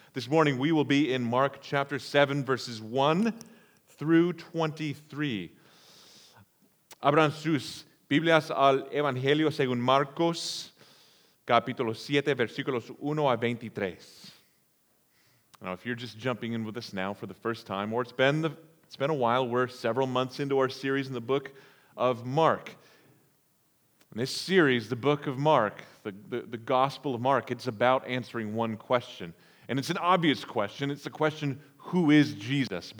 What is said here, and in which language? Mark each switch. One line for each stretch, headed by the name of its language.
English: This morning we will be in Mark chapter 7, verses 1 through 23.
Spanish: Abran sus Biblias al Evangelio según Marcos, capítulo 7, versículos 1 a 23.
English: Now, if you're just jumping in with us now for the first time, or it's been a while, we're several months into our series in the book of Mark. And this series, the book of Mark, the Gospel of Mark, it's about answering one question. And it's an obvious question. It's the question, who is Jesus?